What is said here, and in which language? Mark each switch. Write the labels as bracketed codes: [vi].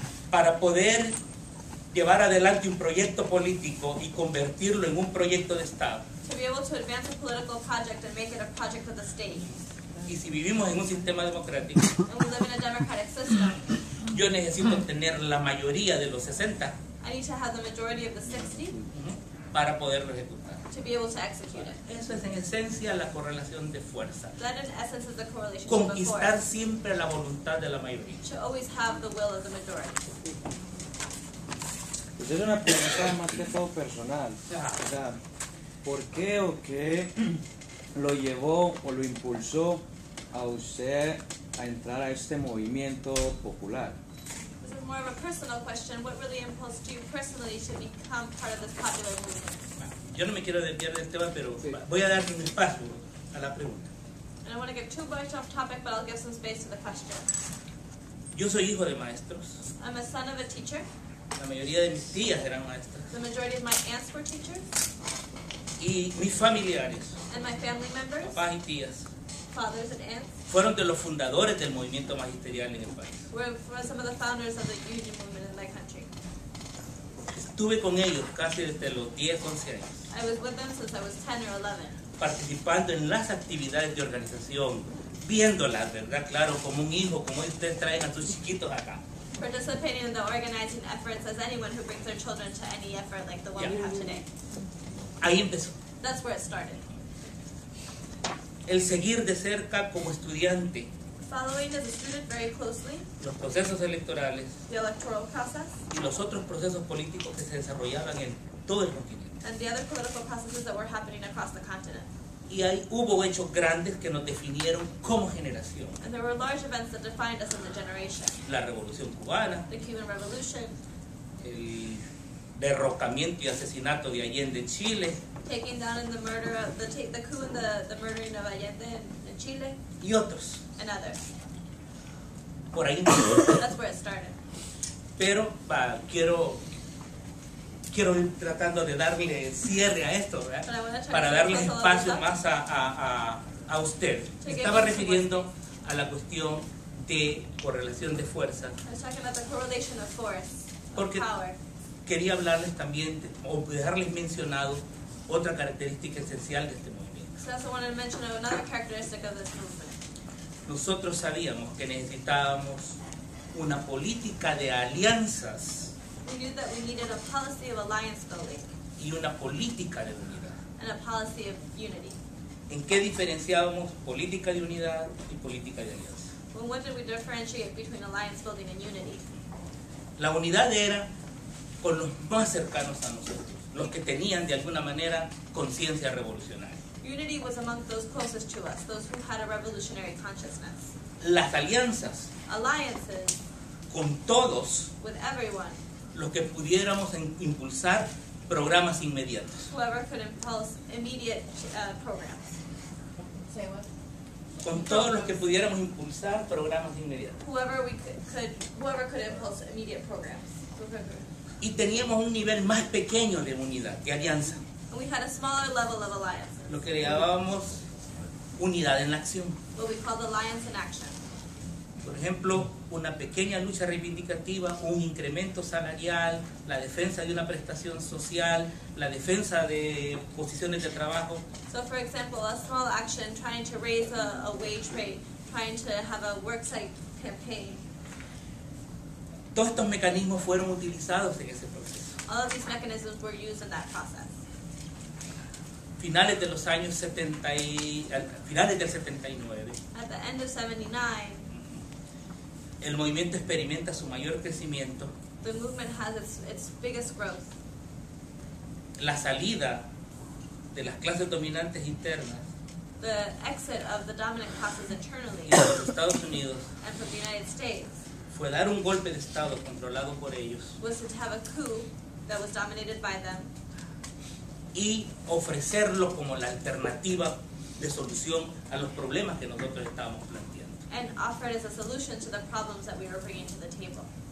[es] para poder llevar adelante un proyecto político y convertirlo en un proyecto de Estado. [en] To be able to advance a political project and make it a project of the state. [es] Y si vivimos en un sistema democrático, [en] and we live in a democratic system, [es] yo necesito tener la mayoría de los 60, [en] I need to have the majority of the 60, [es] para poderlo ejecutar. [en] To be able to execute it. [es] Eso es en esencia la correlación de fuerza. [en] That in essence is the correlation of [es] force. Conquistar siempre la voluntad de la mayoría. [en] To always have the will of the majority. [es] Pues es una pregunta más que todo personal. O sea, ¿por qué o qué lo llevó o lo impulsó a usted a entrar a este movimiento popular? [en] This is more of a personal question. What really impulsed you personally to become part of this popular movement? [es] Yo no me quiero desviar del tema, pero voy a dar un espacio a la pregunta. [en] And I don't want to get too much off topic, but I'll give some space to the question. [es] Yo soy hijo de maestros. [en] I'm a son of a teacher. [es] La mayoría de mis tías eran maestras. [en] The majority of my aunts were teachers. [es] Y mis familiares. [en] And my family members. [es] Papás y tías. [en] Fathers and aunts. [es] Fueron de los fundadores del movimiento magisterial en el país. [en] Were some of the founders of the union movement in my country. [es] Estuve con ellos casi desde los 10, 11 años. [en] I was with them since I was 10 or 11. [es] Participando en las actividades de organización, viéndolas, ¿verdad? Claro, como un hijo, como ustedes traen a sus chiquitos acá. [en] Participating in the organizing efforts as anyone who brings their children to any effort like the one we have today. [es] Ahí empezó. [en] That's where it started. [es] El seguir de cerca como estudiante. [en] following as a student very closely. [es] Los procesos electorales. [en] The electoral process. [es] Y los otros procesos políticos que se desarrollaban en todo el continente. [en] And the other political processes that were happening across the continent. [es] Y ahí hubo hechos grandes que nos definieron como generación. [en] And there were large events that defined us as a generation. [es] La Revolución Cubana. [en] The Cuban Revolution. [es] El derrocamiento y asesinato de Allende en Chile. [en] Taking down in the murder of the coup and the murdering of Allende in Chile. [es] Y otros. [en] And others. [es] Por ahí. [en] That's where it started. [es] Pero quiero ir tratando de darle cierre a esto, ¿verdad? Para darles espacio más a usted. Me estaba refiriendo a la cuestión de correlación de fuerza. [en] I was talking about the correlation of force, of power. [es] Quería hablarles también, o dejarles mencionado, otra característica esencial de este movimiento. [en] So I also wanted to mention another characteristic of this movement. [es] Nosotros sabíamos que necesitábamos una política de alianzas. [en] We knew that we needed a policy of alliance building. [es] Y una política de unidad. [en] And a policy of unity. [es] ¿En qué diferenciábamos política de unidad y política de alianza? [en] Well, what did we differentiate between alliance building and unity? [es] La unidad era con los más cercanos a nosotros, los que tenían de alguna manera conciencia revolucionaria. [en] Unity was among those closest to us, those who had a revolutionary consciousness. [es] Las alianzas. [en] Alliances. [es] Con todos. [en] With everyone. [es] Los que pudiéramos impulsar programas inmediatos. [en] Whoever could impulse immediate programs. Say what? [es] Con todos los que pudiéramos impulsar programas inmediatos. [en] Whoever could impulse immediate programs. [es] Y teníamos un nivel más pequeño de unidad, de alianza. [en] And we had a smaller level of alliances. [es] Lo que llamábamos unidad en acción. [en] What we called alliance in action. [es] Por ejemplo, una pequeña lucha reivindicativa, un incremento salarial, la defensa de una prestación social, la defensa de posiciones de trabajo. [en] So for example, a small action trying to raise a wage rate, trying to have a worksite campaign. [es] Todos estos mecanismos fueron utilizados en ese proceso. [en] All of these mechanisms were used in that process. [es] Finales de los años 70 y, finales del 79. [en] At the end of 79. [es] El movimiento experimenta su mayor crecimiento. [en] The movement has its biggest growth. [es] La salida de las clases dominantes internas. [en] The exit of the dominant classes internally. [es] Y de los Estados Unidos. [en] And from the United States. [es] Fue dar un golpe de estado controlado por ellos. [en] Was to have a coup that was dominated by them. [es] Y ofrecerlo como la alternativa de solución a los problemas que nosotros estábamos planteando. [en] And offered as a solution to the problems that we were bringing to the table.